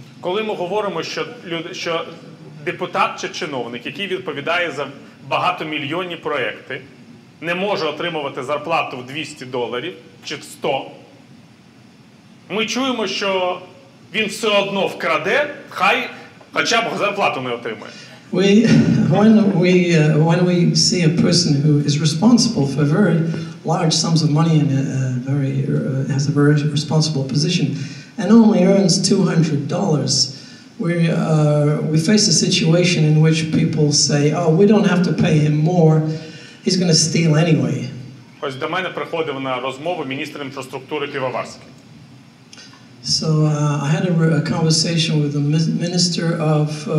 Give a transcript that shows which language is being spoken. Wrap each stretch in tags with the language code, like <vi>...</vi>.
<uk>Коли ми говоримо, що люди, що депутат чи чиновник, який відповідає за багатомільйонні проекти, не може отримувати зарплату в $200 чи 100. Ми чуємо, що він все одно вкраде, хай хоча б зарплату не отримає.</uk> <en>When we see a person who is responsible for very large sums of money and has a very responsible position and only earns $200, we face a situation in which people say, oh, we don't have to pay him more, he's going to steal anyway.</en> <uk>Ось до мене приходив на розмову міністр інфраструктури Півоварський.</uk> <en>So I had a conversation with the minister of</en>